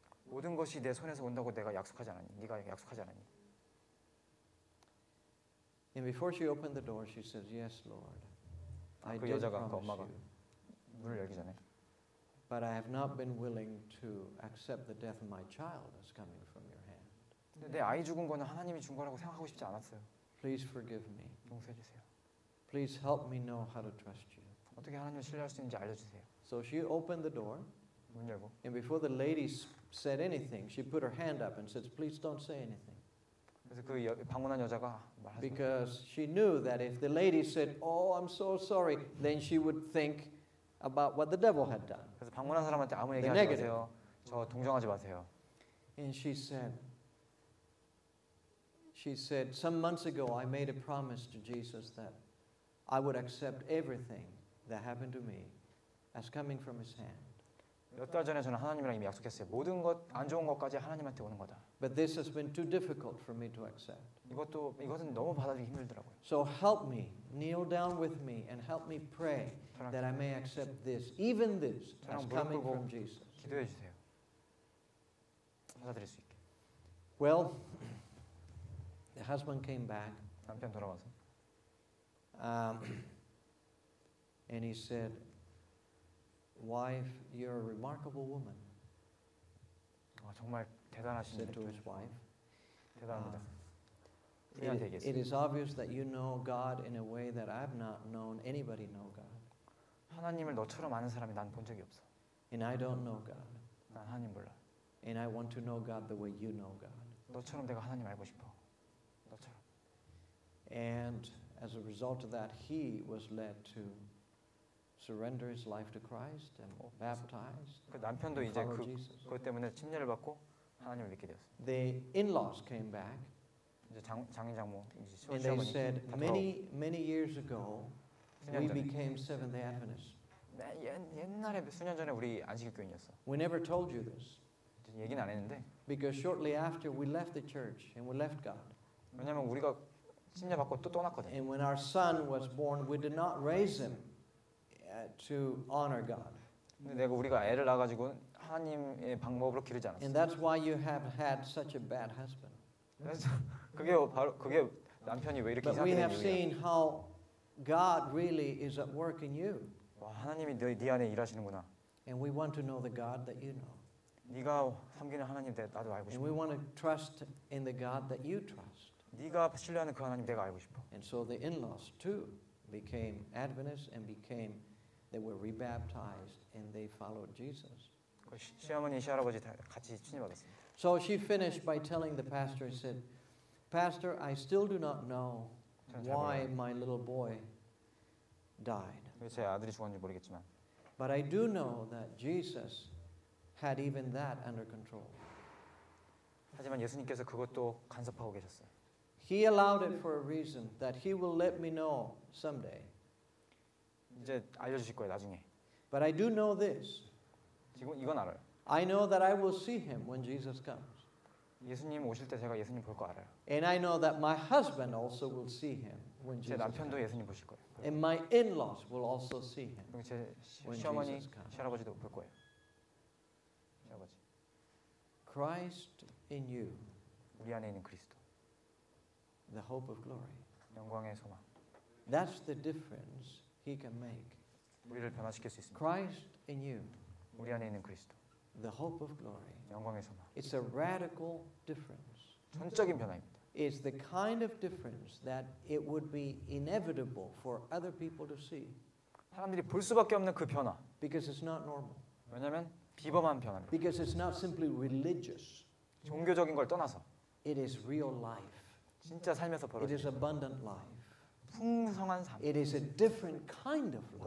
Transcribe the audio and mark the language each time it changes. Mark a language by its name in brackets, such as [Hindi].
[Korean] 모든 것이 내 손에서 온다고 내가 약속하지 않았니? 네가 약속하지 않았니? [English] And before she opened the door, she says, "Yes, Lord, I did promise you." [Korean] 그 엄마가 문을 열기 전에. [English] But I have not been willing to accept the death of my child as coming from your hand. [Korean] 근데 내 아이 죽은 거는 하나님이 준 거라고 생각하고 싶지 않았어요. [English] Please forgive me. [Korean] 용서해 주세요. [English] Please help me know how to trust you. [Korean] 어떻게 하나님을 신뢰할 수 있는지 알려주세요. [English] So she opened the door. [Korean] 문 열고. [English] And before the lady said anything, she put her hand up and said, "Please don't say anything." [Korean] 그래서 그 방문한 여자가 말하죠. [English] Because she knew that if the lady said, "Oh, I'm so sorry," then she would think about what the devil had done. [Korean] 그래서 방문한 사람한테 아무 얘기 하지 마세요. 저 동정하지 마세요. [English] And she said, "Some months ago, I made a promise to Jesus that I would accept everything that happened to me as coming from His hand." [Korean] 몇 달 전에 저는 하나님이랑 이미 약속했어요. 모든 것 안 좋은 것까지 하나님한테 오는 거다. [English] But this has been too difficult for me to accept. [Korean] 이것은 너무 받아들이기 힘들더라고요. [English] So help me, kneel down with me, and help me pray that I may accept this, even this, as coming from Jesus. [Korean] 기도해 주세요. 받아들일 수 있게. [English] Well, the husband came back. [Korean] 남편 돌아와서. [English] And he said, "Wife, you're a remarkable woman." [Korean] 아 정말 대단하신 분이죠. [English] Said to his wife. [Korean] 대단합니다. [English] It is obvious that you know God in a way that I've not known anybody know God. [Korean] 하나님을 너처럼 아는 사람이 난 본 적이 없어. [English] And I don't know God. [Korean] 난 하나님 몰라. [English] And I want to know God the way you know God. [Korean] 너처럼 내가 하나님 알고 싶어. 너처럼. [English] And as a result of that, he was led to surrender his life to Christ and baptized. [Korean] 그 남편도 이제 그것 때문에 침례를 받고 하나님을 믿게 되었어요. [English] The in-laws came back. [Korean] 이제 장인장모 이제 시어머니. [English] And they said, many years ago, we became Seventh-day Adventists. [Korean] 옛날에 수년 전에 우리 안식일 교인이었어. [English] We never told you this. [Korean] 얘기는 안 했는데. [English] Because shortly after we left the church and we left God. [Korean] 왜냐면 우리가 침례 받고 또 떠났거든. [English] And when our son was born, we did not raise him to honor God. [Korean] 내가 우리가 애를 낳아가지고 하나님의 방법으로 기르지 않았어. [English] And that's why you have had such a bad husband. [Korean] 그래서 그게 바로 그게 남편이 왜 이렇게 이상해. [English] But we have seen how God really is at work in you. [Korean] 와 하나님이 네 안에 일하시는구나. [English] And we want to know the God that you know. [Korean] 네가 섬기는 하나님 나도 알고 싶어. [English] And we want to trust in the God that you trust. [Korean] 네가 신뢰하는 그 하나님 내가 알고 싶어. [English] And so the in-laws too became Adventists and became they were rebaptized and they followed Jesus. [Korean] 시어머니 시할아버지 다 같이 침례 받았습니다. [English] So she finished by telling the pastor and said, "Pastor, I still do not know why my little boy died. [Korean] 제 아들이 죽었는지 모르겠지만. [English] But I do know that Jesus had even that under control." [Korean] 하지만 예수님께서 그것도 간섭하고 계셨어요. [English] He allowed it for a reason that he will let me know someday. [Korean] 이제 알려주실 거예요, 나중에. [English] But I do know this. [Korean] 지금 이건 알아요. [English] I know that I will see him when Jesus comes. [Korean] 예수님 오실 때 제가 예수님 볼 거 알아요. [English] And I know that my husband also will see him when Jesus comes. [Korean] 제 남편도 예수님 보실 거예요. [English] And my in-laws will also see him. [Korean] 제 시어머니, 시할아버지도 볼 거예요. 시할아버지. [English] Christ in you. [Korean] 우리 안에 있는 그리스도. [English] The hope of glory. [Korean] 영광의 소망. [English] That's the difference he can make. [Korean] 우리를 변화시킬 수 있습니다. [English] Christ in you. [Korean] 우리 안에 있는 그리스도. [English] The hope of glory. [Korean] 영광의 소망. [English] It's a radical difference. [Korean] 전적인 변화입니다. [English] It's the kind of difference that it would be inevitable for other people to see. [Korean] 사람들이 볼 수밖에 없는 그 변화. [English] Because it's not normal. [Korean] 왜냐면 비범한 변화입니다. [English] Because it's not simply religious. [Korean] 종교적인 걸 떠나서. [English] It is real life. [Korean] 진짜 살면서 벌어진 [English] It is abundant life. [Korean] 풍성한 삶. [English] It is a different kind of life.